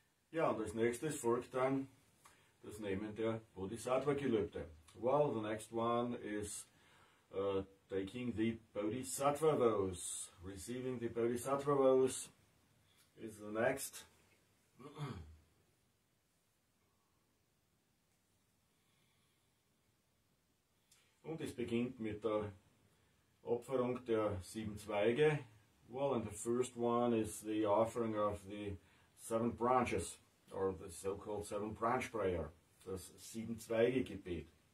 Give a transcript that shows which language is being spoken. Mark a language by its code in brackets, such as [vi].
[de] Ja, und als nächstes folgt dann das Nehmen der Bodhisattva-Gelübde. [en] Well, the next one is taking the Bodhisattva vows. Receiving the Bodhisattva vows is the next. [de] Und es beginnt mit der Opferung der sieben Zweige. [en] Well, and the first one is the offering of the seven branches, or the so-called seven branch prayer, [de] das sieben Zweige Gebet.